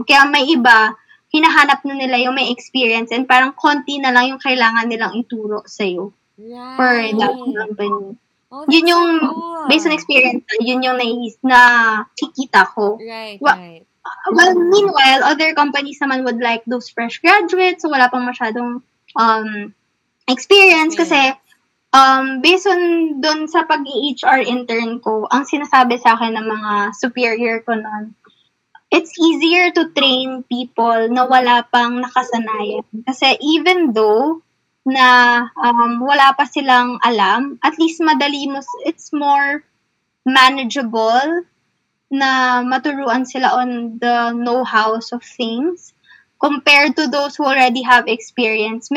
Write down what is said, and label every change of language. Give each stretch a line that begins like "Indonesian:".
Filipino: Kaya may iba, hinahanap na nila yung may experience,
English: and parang konti
Filipino: na lang yung kailangan nilang ituro sa'yo. Yay.
English: For that company. Oh, yun yung, cool. Based on experience,
Filipino: yun yung nakikita ko.
English: Right. Well, meanwhile, other companies naman would like those fresh graduates, so
Filipino: wala pang masyadong
English: experience.
Filipino: Okay. Kasi, based on dun sa pag-HR intern ko, ang sinasabi sa akin ng mga superior ko nun,
English: it's easier to train people
Filipino: na wala pang nakasanayan.
English: Kasi even though,
Filipino: na wala pa silang alam,
English: at least madali mo, it's more manageable
Filipino: na maturuan sila
English: on the know-hows of things compared to those who already have experience.